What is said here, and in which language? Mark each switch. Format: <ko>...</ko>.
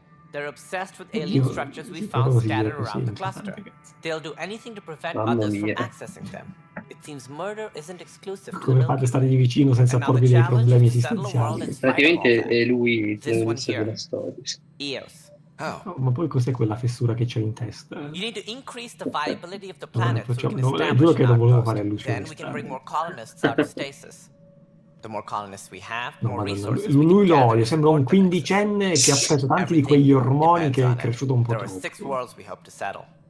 <en>They're obsessed with alien structures we found scattered around the cluster. They'll do anything to prevent others from accessing them. It seems murder isn't exclusive to the Milky Way. And now the challenge is to settle a world in Spyfall.</en> <it>Praticamente è lui della storia.</it> <en>Eos.</en> <it>Ma poi cos'è quella fessura che c'è in testa?</it> <en>You need to increase the viability of the planet so we can establish Then we can bring more colonists out of stasis. The more colonists we have, no, more no, no.</en> <it>Lui lo odio, sembra un quindicenne che ha preso tanti di quegli ormoni che è cresciuto un po' troppo.</it>